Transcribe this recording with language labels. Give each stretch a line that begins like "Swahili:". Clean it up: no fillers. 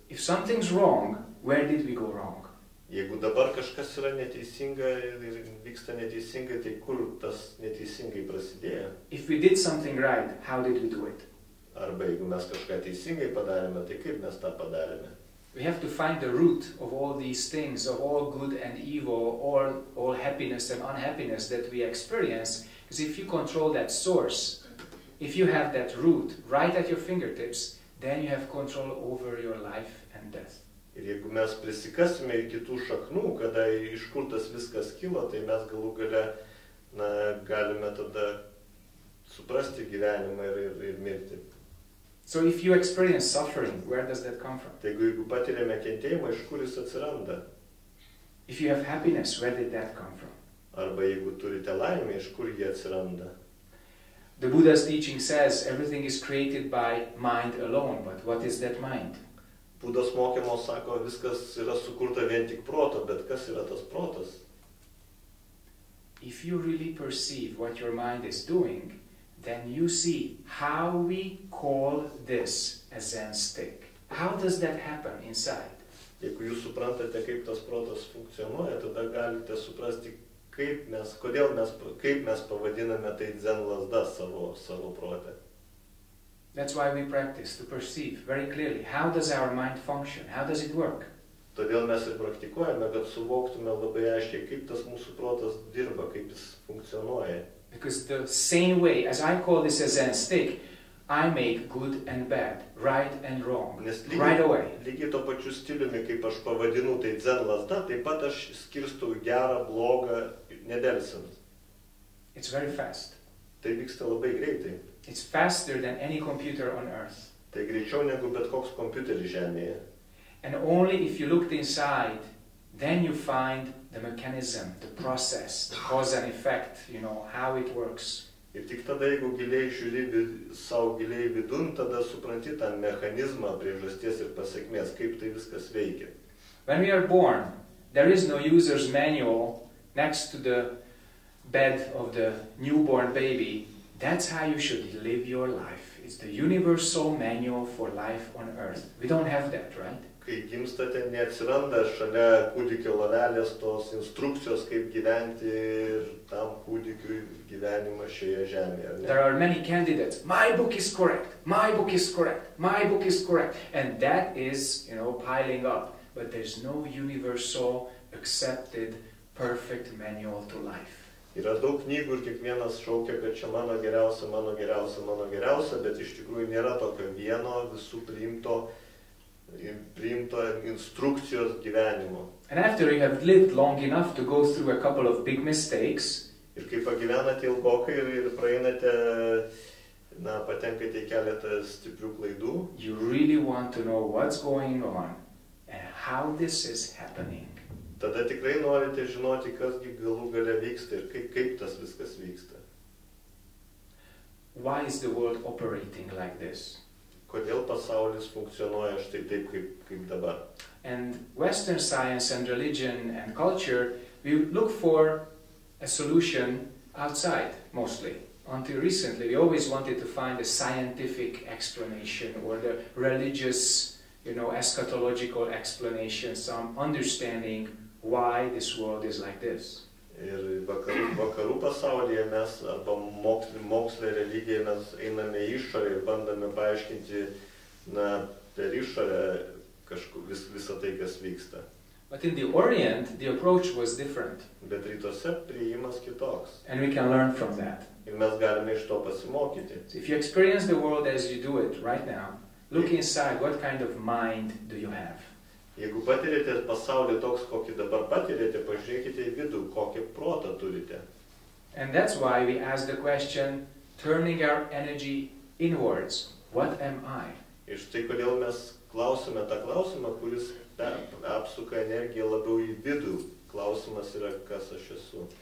English: If something's wrong, where did we go wrong?
Lithuanian: Jeigu dabar kažkas yra neteisinga ir vyksta neteisingai, tai kur tas neteisingai prasidėjo?
English: If we did something right, how did we do it?
Lithuanian: Arba jeigu mes kažką teisingai padarėme, tai kaip mes tą padarėme?
English: We have to find the root of all these things, of all good and evil, all happiness and unhappiness that we experience. Because if you control that source, if you have that root right at your fingertips, then you have control over your life and death.
Lithuanian: Ir jeigu mes prisikasime iki tų šaknų, kada iš kur tas viskas kyla, tai mes galų gale galime tada suprasti gyvenimą ir mirti.
English: So if you experience suffering, where does that come from?
Lithuanian: Jeigu patiriame kentėjimą, iš kur jis atsiranda?
English: If you have happiness, where did that come from?
Lithuanian: Arba jeigu turite laimę, iš kur jie atsiranda?
English: The Buddha's teaching says everything is created by mind alone, but what is that mind?
Lithuanian: Buddha's mokymo sako, viskas yra sukurta vien tik proto, bet kas yra tas protas?
English: If you really perceive what your mind is doing, then you see how we call this a Zen stick. How does that happen inside?
Lithuanian: Jeigu jūs suprantate, kaip tas protas funkcionuoja, tada galite suprasti, kaip mes pavadiname tai Zen lazda savo prote.
English: That's why we practice to perceive very clearly how does our mind function, how does it work.
Lithuanian: Todėl mes ir praktikuojame, kad suvoktume labai aiškiai, kaip tas mūsų protas dirba, kaip jis funkcionuoja.
English: Because the same way, as I call this a Zen stick, I make good and bad, right and wrong, right away.
Lithuanian: Lygiai to pačiu stiliumi, kaip aš pavadinu, tai dzen lasda, taip pat aš skirstu gerą, blogą, nedelsiant.
English: It's very fast.
Lithuanian: Tai vyksta labai greitai.
English: It's faster than any computer on earth.
Lithuanian: Tai greičiau negu bet koks kompiuteris žemėje.
English: And only if you looked inside, then you find the mechanism, the process, the cause and effect, you know, how it works.
Lithuanian: Ir tik tada, jeigu giliai žiūri savo giliai vidun, tada supranti tą mechanizmą priežasties ir pasekmės, kaip tai viskas veikia.
English: When we are born, there is no user's manual next to the bed of the newborn baby. That's how you should live your life. It's the universal manual for life on earth. We don't have that, right?
Lithuanian: Kai gimstate, neatsiranda šalia kūdikio lovelės tos instrukcijos, kaip gyventi ir tam kūdikiui gyvenimą šioje žemėje. Ne?
English: There are many candidates. My book is correct. My book is correct. My book is correct. And that is, you know, piling up. But there's no universal accepted perfect manual to life.
Lithuanian: Yra daug knygų ir kiekvienas šaukia, kad čia mano geriausia, mano geriausia, mano geriausia, bet iš tikrųjų nėra tokio vieno visų priimto instrukcijos gyvenimo.
English: And after you have lived long enough to go through a couple of big mistakes,
Lithuanian: ir kai pagyvenate ilgokai ir praeinate, na, patenkate į keletą stiprių klaidų,
English: you really want to know what's going on and how this is happening.
Lithuanian: Tada tikrai norite žinoti, kas gi galų gale vyksta ir kaip tas viskas vyksta.
English: Why is the world operating like this?
Lithuanian: Kodėl pasaulis funkcionuoja štai taip, kaip dabar.
English: And Western science and religion and culture, we look for a solution outside, mostly. Until recently, we always wanted to find a scientific explanation or the religious, you know, eschatological explanation, some understanding why this world is like this.
Lithuanian: Ir vakarų pasaulyje mes, arba mokslė, religija, mes einame į išorę ir bandame paaiškinti, na, per išorę visą tai, kas vyksta.
English: But in the Orient, the approach was different.
Lithuanian: Bet rytuose priėjimas kitoks.
English: And we can learn from that.
Lithuanian: Ir mes galime iš to pasimokyti.
English: So if you experience the world as you do it right now, look inside, what kind of mind do you have?
Lithuanian: Jeigu patirėte pasaulį toks, kokį dabar patirėte, pažiūrėkite į vidų, kokį protą turite.
English: And that's why we ask the question, turning our energy inwards, what am I?
Lithuanian: Ir štai kodėl mes klausime tą klausimą, kuris apsuka energiją labiau į vidų. Klausimas yra, kas aš esu.